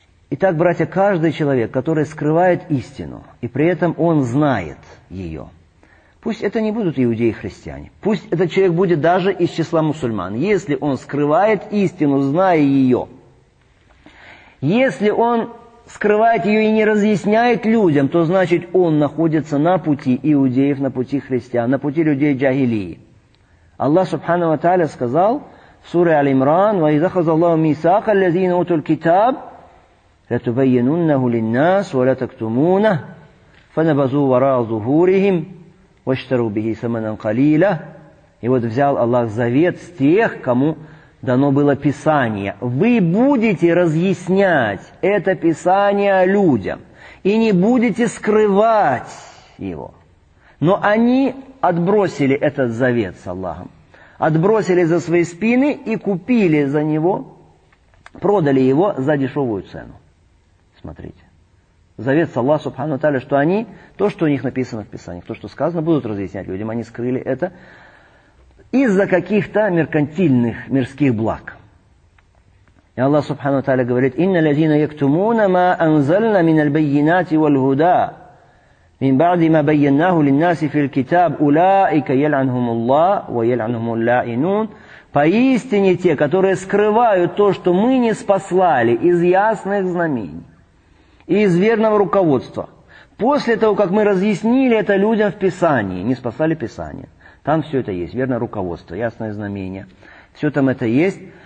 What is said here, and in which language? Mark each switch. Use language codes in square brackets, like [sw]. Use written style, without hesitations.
[ru] Итак, братья, каждый человек, который скрывает истину, и при этом он знает ее, пусть это не будут иудеи-христиане, пусть этот человек будет даже из числа мусульман, если он скрывает истину, зная ее, если он скрывает ее и не разъясняет людям, то значит он находится на пути иудеев, на пути христиан, на пути людей джагилии. Аллах Субхану ва тааля сказал в суре Аль-Имран: [ar] «Ва изахаза Аллаху мисака аллазина утул китаб لتبيننه للناس ولا تكتمونه فنبذوا وراء ظهورهم واشتروا به ثمنا قليلا. [ru] И вот взял Аллах завет с тех, кому дано было Писание. Вы будете разъяснять это Писание людям и не будете скрывать его. Но они отбросили этот завет с Аллахом, отбросили за свои спины и купили за него, продали его за дешевую цену. Смотрите. Завет с Аллах, субхану таля, что они, то, что у них написано в Писании, то, что сказано, будут разъяснять людям, они скрыли это из-за каких-то меркантильных, мирских благ. И Аллах, субхану таля, говорит, [ar] «Инна лязина яктумуна ма анзальна мин аль-байинати валь-гуда». من بعد ما بيناه للناس في الكتاب أولئك يلعنهم الله ويلعنهم اللائنون. [ru] Поистине те, которые скрывают то, что мы не спаслали из ясных знамений и из верного руководства, после того, как мы разъяснили это людям в Писании, не спасали Писание, там все это есть, верное руководство, ясное знамение, все там это есть.